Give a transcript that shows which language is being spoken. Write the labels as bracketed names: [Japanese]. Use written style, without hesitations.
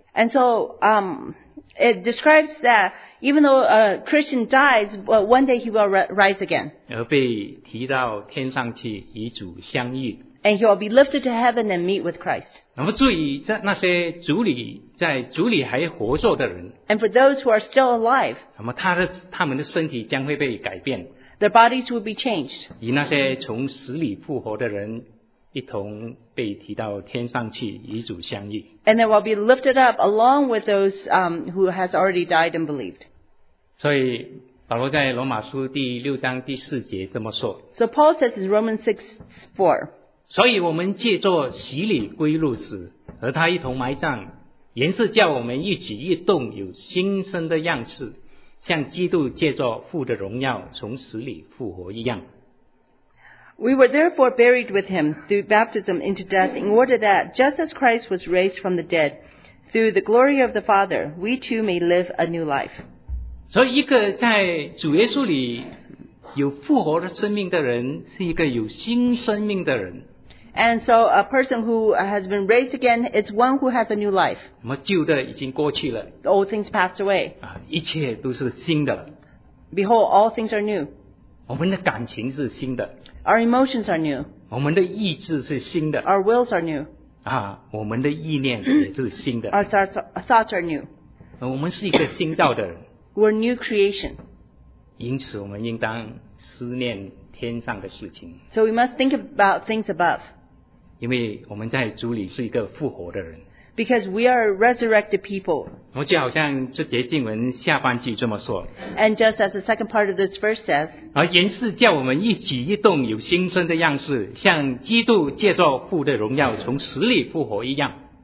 [English] And so, it describes that even though a Christian dies, one day he will rise again. [Chinese] 而被提到天上去与主相遇。 [English] And he will be lifted to heaven and meet with Christ. [Chinese] 那么注意在那些主里在主里还活着的人 [English] And for those who are still alive, [Chinese] 那么他们的身体将会被改变 [English] Their bodies will be changed. [Chinese] 与那些从死里复活的人一同被提到天上去与主相遇。 [English] And that will be lifted up along with those who has already died and believed. [Chinese] 所以保罗在罗马书第六章第四节这么说。 [English] So Paul says in Romans 6:4. [Chinese] 所以我们借着洗礼归入死，和他一同埋葬，原是叫我们一举一动有新生的样式，像基督借着父的荣耀从死里复活一样。 [English] We were therefore buried with him through baptism into death, in order that, just as Christ was raised from the dead, through the glory of the Father, we too may live a new life. [Chinese] 所以一个在主耶稣里有复活的生命的人，是一个有新生命的人。 [English] And so a person who has been raised again is one who has a new life. [Chinese] 那么旧的已经过去了。 [English] The old things passed away. [Chinese] 一切都是新的。 [English] Behold, all things are new. [Chinese] 我们的感情是新的。 [English] Our emotions are new. [Chinese] 我们的意志是新的。 [English] Our wills are new. [Chinese] 我们的意念也是新的。 [English] Our thoughts are new. [Chinese] 我们是一个新造的人。 [English] We're new creation. [Chinese] 因此我们应当思念天上的事情。 [English] So we must think about things above. [Chinese] 因为我们在主里是一个复活的人。 [English] Because we are resurrected people. [Chinese] 我就好像这节经文下半句这么说。 [English] And just as the second part of this verse says. [Chinese] 原是叫我们一举一动有新生的样式，像基督借着父的荣耀从死里复活一样。